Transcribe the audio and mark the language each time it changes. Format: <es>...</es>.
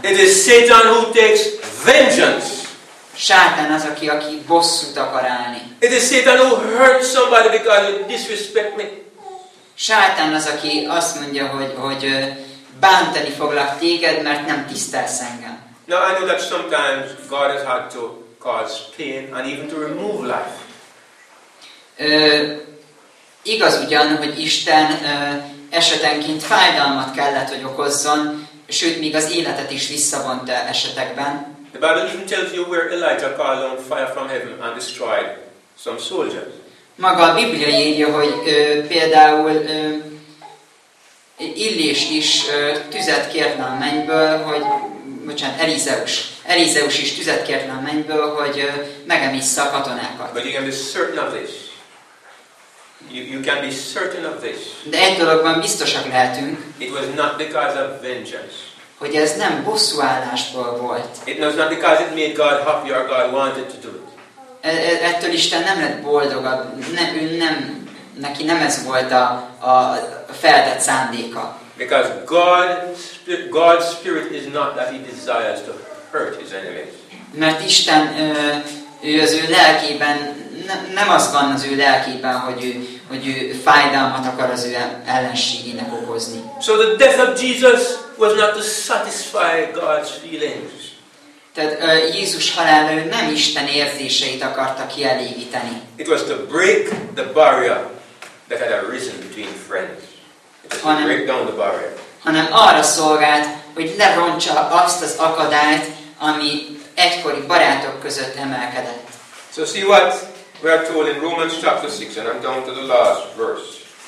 <en>It is Satan who takes vengeance.</en> <hu>Sátán az, aki bosszút akar állni.</hu> <en>It is Satan who hurts somebody because you disrespect me.</en> <hu>Sátán az, aki azt mondja, hogy bántani foglak téged, mert nem tisztelsz engem.</hu> <en>Now I know that sometimes God has had to cause pain and even to remove life.</en> <hu>Igaz ugyan, hogy Isten esetenként fájdalmat kellett, hogy okozzon, sőt, még az életet is visszavonta esetekben.</hu> <en>The Bible even tells you where Elijah called on fire from heaven and destroyed some soldiers.</en> <hu>Maga a Biblia írja, hogy például Illés is tüzet kérne a mennyből, hogy, bocsánat, Elizeus. Elizeus is tüzet kérne a mennyből, hogy megemissza a katonákat.</hu> <en>But you can be certain of this. You can be certain of this.</en> <hu>De egy dologban biztosak lehetünk.</hu> <en>It was not because of vengeance.</en> <hu>Hogy ez nem bosszúállásból volt.</hu> <en>It was not because it made God happy or God wanted to do it.</en> <hu>Ettől Isten nem lett boldog, neki nem ez volt a feltett szándéka.</hu> <en>Because God's spirit is not that he desires to hurt his enemies.</en> <hu>Mert Isten az ő lelkében nem az van az ő lelkében, hogy ő fájdalmat akar az ő ellenségének okozni.</hu> <en>So the death of Jesus was not to satisfy God's feelings.</en> <hu>Tehát Jézus halála nem Isten érzéseit akarta kielégíteni.</hu> <en>It was to break the barrier that had arisen between friends. It was to break down the barrier.</en> <hu>Hanem arra szolgált, hogy lerontsa azt az akadályt, ami egykori barátok között emelkedett.</hu> <en>So see what we are told in Romans chapter 6, and I'm down to the last verse.</en>